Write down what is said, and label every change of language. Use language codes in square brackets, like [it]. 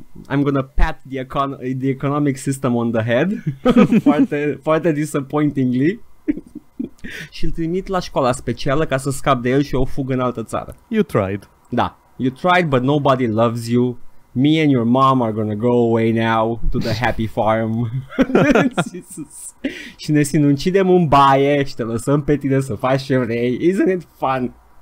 [en] I'm gonna pat the economic system on the head. [ro] Foarte, foarte [en] disappointingly. [ro] Și îl trimit la școala specială ca să scap de el și o fug în altă țară. [en] You tried. Da. You tried, but nobody loves you. Me and your mom are gonna go away now to the happy farm. Jesus. [ro] Și ne sinucidem în baie și te lăsăm pe tine să faci ce vrei. [en] Isn't it fun?